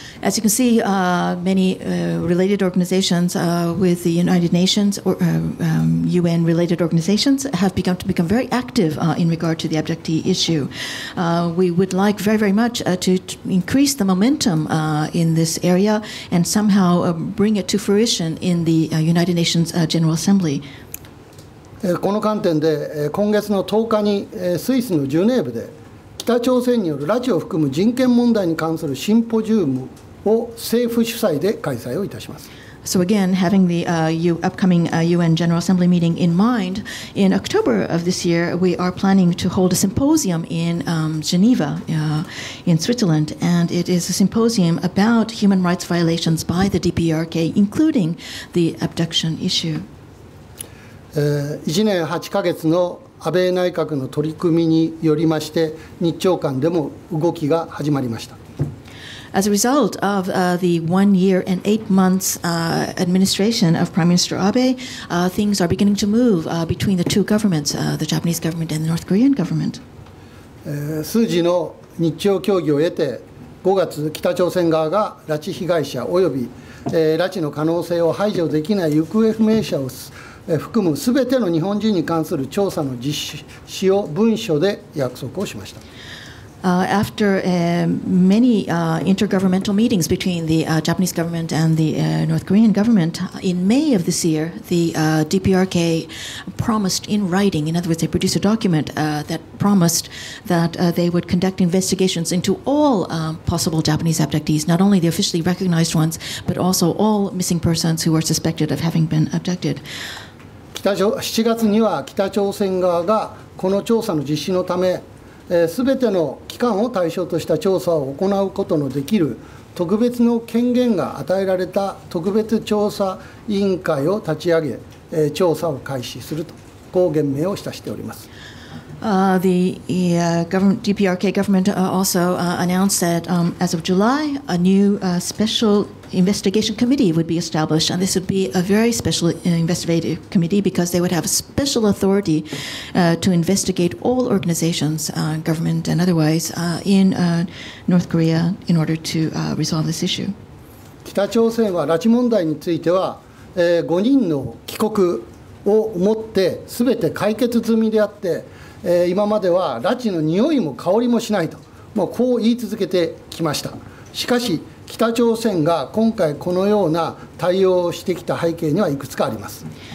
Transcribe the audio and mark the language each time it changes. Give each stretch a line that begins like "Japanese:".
English: As you can see, many related organizations with the United Nations or UN related organizations have begun to become very active in regard to the abductee issue. We would like very, very much to increase the momentum in this area and somehow bring it to fruition in the United Nations General Assembly.
Japanese: この観点で、今月の10日に、スイスのジュネーブで北朝鮮による拉致を含む人権問題に関するシンポジウムを政府主催で開催をいたします。
English: So again, having the upcoming UN General Assembly meeting in mind, in October of this year, we are planning to hold a symposium in Geneva, in Switzerland, and it is a symposium about human rights violations by the DPRK, including the abduction issue.
Japanese: 1年8ヶ月の安倍内閣の取り組みによりまして、日朝間でも動きが始まりました。
English: As a result of the 1 year and 8 months administration of Prime Minister Abe, things are beginning to move between the two governments, the Japanese government and the North Korean government.
Japanese: 数字の日朝協議を得て、5月、北朝鮮側が拉致被害者および、拉致の可能性を排除できない行方不明者を含むすべての日本人に関する調査の実施を文書で約束をしました。
English: After many intergovernmental meetings between the Japanese government and the North Korean government, in May of this year, the DPRK promised in writing, in other words, they produced a document that promised that they would conduct investigations into all possible Japanese abductees, not only the officially recognized ones, but also all missing persons who are suspected of having been abducted.
Japanese: 7月には北朝鮮側がこの調査の実施のため、すべての機関を対象とした調査を行うことのできる特別の権限が与えられた特別調査委員会を立ち上げ、調査を開始すると、こう言明をしております。
English: DPRK government also announced that as of July, a new special investigation committee would be established. And this would be a very special investigative committee because they would have special authority to investigate all organizations, government and otherwise, in North Korea in order to resolve this issue.
Japanese: 北朝鮮は拉致問題については、5人の帰国をもって全て解決済みであって、今までは拉致の匂いも香りもしないと、もうこう言い続けてきました。しかし、北朝鮮が今回このような対応をしてきた背景にはいくつかあります。